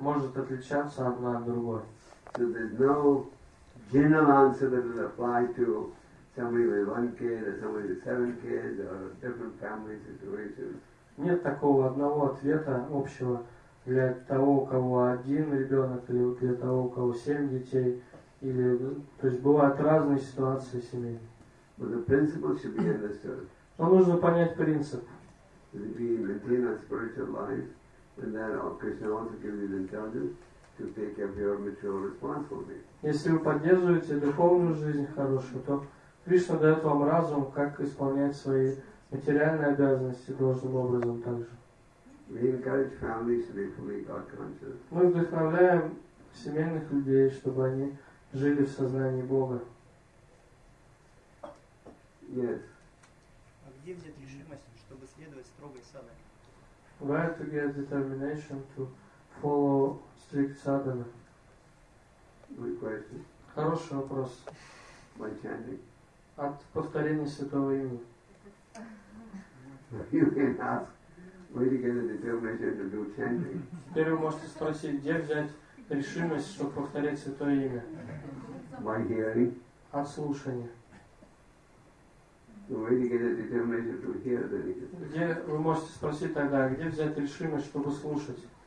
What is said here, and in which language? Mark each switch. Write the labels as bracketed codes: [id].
[ru] Может отличаться одна от другой. [en] So there's no general answer that will apply to somebody with one kid or somebody with seven kids or different family situations. [ru] Нет такого одного ответа общего. Для того, у кого один ребенок, или для того, у кого семь детей, или то есть бывают разные ситуации семейные. [en] But the principle should be understood. [ru] Но нужно понять принцип. [en] If we maintain our spiritual life, then that Krishna also gives you the intelligence to take care of your material responsibility. [ru] Если вы поддерживаете духовную жизнь хорошую, то Кришна дает вам разум, как исполнять свои материальные обязанности должным образом также. [en] We encourage families to be fully God conscious. [ru] Мы вдохновляем семейных людей, чтобы они жили в сознании Бога. [en] Yes. [ru] А где взять решимость, чтобы следовать строгой садхане? [en] Where to get determination to follow strict sadhana? Good question. [ru] Хороший вопрос. [en] By chanting. [ru] От повторения святого имени. [en] You can ask. Where do you get the determination to do chanting? [ru] Теперь вы можете спросить, где взять решимость, чтобы повторять святое имя? [en] By hearing. [ru] От слушания. [en] So where do you get the determination to hear the Nikita? [ru] Где вы можете спросить тогда, где взять решимость, чтобы слушать?